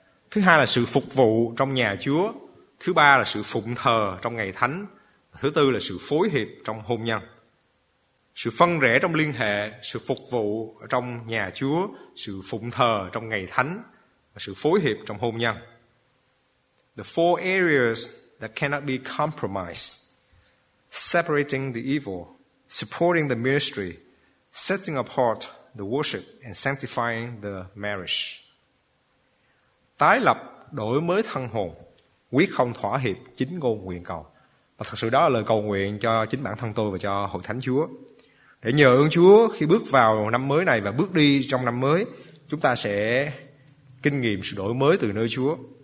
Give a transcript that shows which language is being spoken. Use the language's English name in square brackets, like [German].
[Vietnamese] Thứ hai là sự phục vụ trong nhà Chúa. Thứ ba là sự phụng thờ trong ngày thánh. Thứ tư là sự phối hiệp trong hôn nhân. Sự phân rẽ trong liên hệ, sự phục vụ trong nhà Chúa, sự phụng thờ trong ngày thánh và sự phối hiệp trong hôn nhân. [English] The four areas that cannot be compromised: separating the evil, supporting the ministry, setting apart the worship and sanctifying the marriage. [Vietnamese] Tái lập đổi mới thân hồn, quyết không thỏa hiệp chính ngôn nguyện cầu. Và thật sự đó là lời cầu nguyện cho chính bản thân tôi và cho hội thánh Chúa. Để nhờ ơn Chúa khi bước vào năm mới này và bước đi trong năm mới, chúng ta sẽ kinh nghiệm sự đổi mới từ nơi Chúa.